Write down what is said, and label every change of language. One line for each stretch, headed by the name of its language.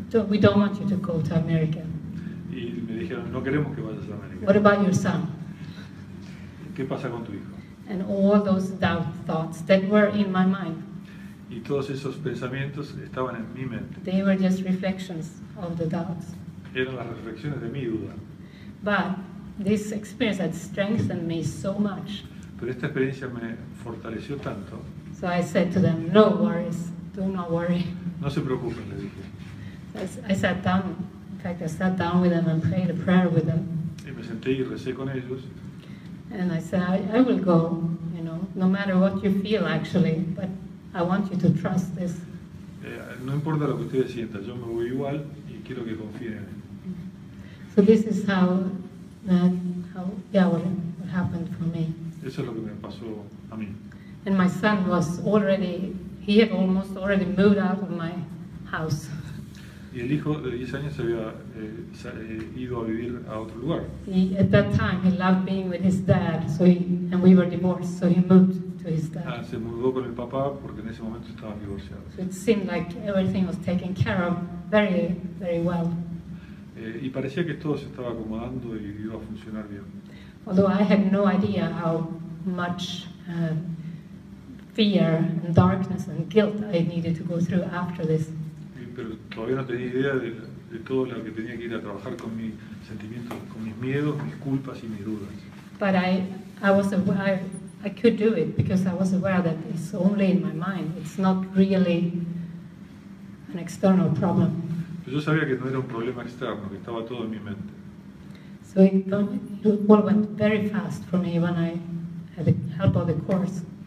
English: We don't want you to go to America.
Spanish: Y me dijeron, no queremos que vayas a América.
English: What about your son?
Spanish: ¿Qué pasa con tu hijo?
English: And all those doubt thoughts that were in my mind.
Spanish: Y todos esos pensamientos estaban en mi mente.
English: They were just reflections of the doubts.
Spanish: Eran las reflexiones de mi duda.
English: But this experience had strengthened me so much.
Spanish: Pero esta experiencia me fortaleció tanto.
English: So I said to them, no worries, do not worry.
Spanish: No se preocupen, le dije.
English: I sat down, in fact, I sat down with them and prayed a prayer with them.
Spanish: Y me senté y recé con ellos.
English: And I said, I will go, you know, no matter what you feel, actually, but I want you to trust this.
Spanish: No importa lo que ustedes sientan, yo me voy igual y quiero que confíen en mí.
English: So this is how happened for me.
Spanish: Eso es lo que me pasó a mí.
English: And my son was already, he had almost already moved out of my house.
Spanish: Y el hijo de 10 años se había ido a vivir a otro lugar.
English: He, at that time, he loved being with his dad, and we were divorced, so he moved to his dad.
Spanish: Se mudó con el papá porque en ese momento estaba divorciado.
English: So it seemed like everything was taken care of very, very well.
Spanish: Y parecía que todo se estaba acomodando y iba a funcionar bien.
English: Although I had no idea how much fear and darkness and guilt I needed to go through after this.
Spanish: Pero todavía no tenía idea de todo lo que tenía que ir a trabajar con mis sentimientos, con mis miedos, mis culpas y mis dudas.
English: But I was aware I could do it because I was aware that it's only in my mind. It's not really an external problem.
Spanish: Pero yo sabía que no era un problema externo, que estaba todo en mi mente.
English: So it all went very fast for me when I had the help of the course.